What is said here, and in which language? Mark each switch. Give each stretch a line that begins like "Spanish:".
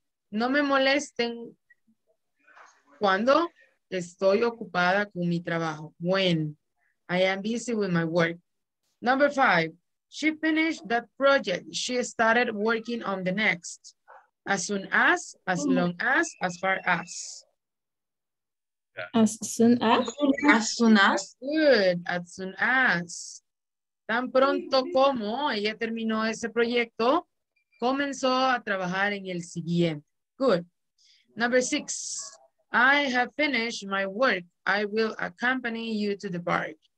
Spanish: No me molesten cuando estoy ocupada con mi trabajo.
English: When, I am busy with my work. Number five, she finished that project. She started working on the next. As soon as long as far as. As soon as? As soon as. Good, as soon as.
Spanish: Tan pronto como ella terminó ese proyecto, comenzó a trabajar en el siguiente.
English: Good. Number six, I have finished my work. I will accompany you to the park.